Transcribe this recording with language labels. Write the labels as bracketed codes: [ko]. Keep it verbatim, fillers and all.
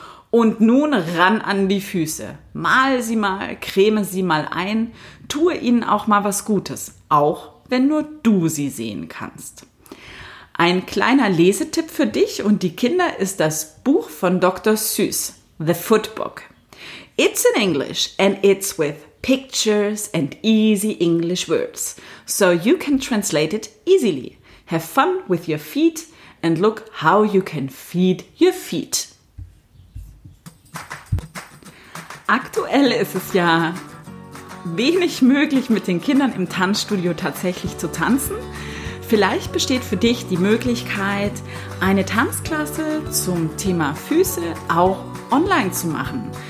[de] Und nun ran an die Füße. Mal sie mal, creme sie mal ein, tue ihnen auch mal was Gutes, auch wenn nur du sie sehen kannst. Ein kleiner Lesetipp für dich und die Kinder ist das Buch von Doktor Seuss, The Foot Book. [en] It's in English and it's with pictures and easy English words, so you can translate it easily. Have fun with your feet and look how you can feed your feet. [de] Aktuell ist es ja wenig möglich, mit den Kindern im Tanzstudio tatsächlich zu tanzen. Vielleicht besteht für dich die Möglichkeit, eine Tanzklasse zum Thema Füße auch online zu machen.